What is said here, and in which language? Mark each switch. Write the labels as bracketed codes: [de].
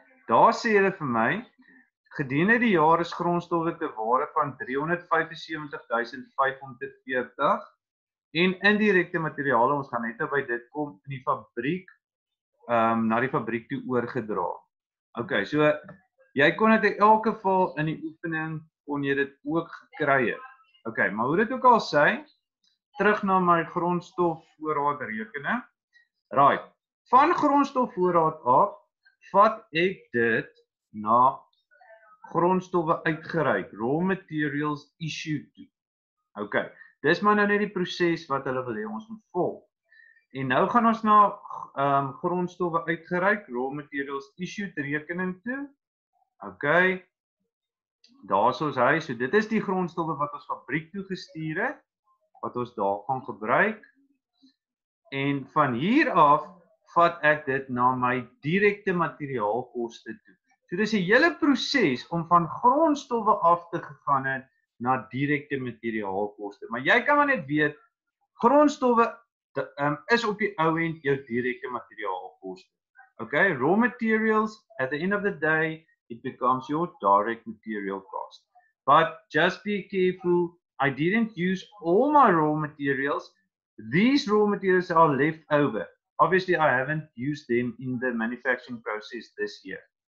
[af] Daar sê hulle vir my gedurende die jaar is grondstowwe te waarde van 375,540 en indirekte materiale, ons gaan net nou by dit kom, in die fabriek na die fabriek toe oorgedra. OK, so jy kon dit in elk geval in die oefening kon jy dit ook gekry het. OK, maar hoe dit ook al sê, terug na my grondstofvoorraad rekening. Right, van grondstofvoorraad af, vat ek dit na grondstowwe uitgereik, [en] raw materials issued [af] toe. OK, dis maar nou net die proses wat hulle wil hê ons moet volg. En nou gaan ons na grondstowwe uitgereik, [en] raw materials issued [af] rekening toe. OK. Daar is ons hy, so dit is die grondstowwe wat ons fabriek toe gestuur het, wat ons daar gaan gebruik. En van hier af vat ek dit na my direkte materiaalkoste toe. So dis 'n hele proses om van grondstowwe af te gegaan het na direkte materiaalkoste. Maar jy kan maar net weet, Grondstowwe is op die ou end jou direkte materiaalkoste. [en] Okay, raw materials, at the end of the day, it becomes your direct material cost. But just be careful, I didn't use all my raw materials. These raw materials are left over. Obviously, I haven't used them in the manufacturing process this year.